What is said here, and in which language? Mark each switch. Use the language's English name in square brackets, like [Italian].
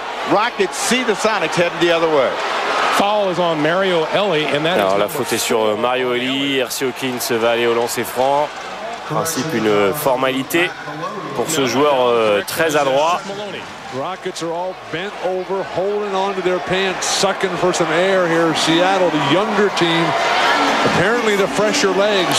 [English] Rockets see the Sonics heading the other way. Foul is on Mario Eli, and that. [French] Alors la faute est sur Mario Eli. Hersey Hawkins va aller au lancer franc. Principe une formalité pour ce joueur très adroit. [English] Rockets are all bent over, holding on to their pants, sucking for some air here. Seattle, the younger team, apparently the fresher legs.